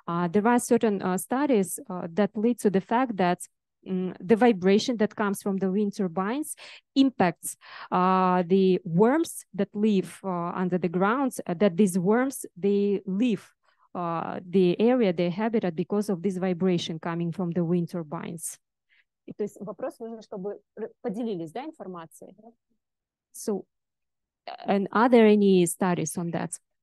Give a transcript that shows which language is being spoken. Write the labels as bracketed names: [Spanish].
[English] There are certain studies that lead to the fact that the vibration that comes from the wind turbines impacts the worms that live under the ground, that these worms, they leave the area, their habitat, because of this vibration coming from the wind turbines. [Russian] То есть вопрос нужно, чтобы поделились, да, информацией? [English] So, and are there any studies on that?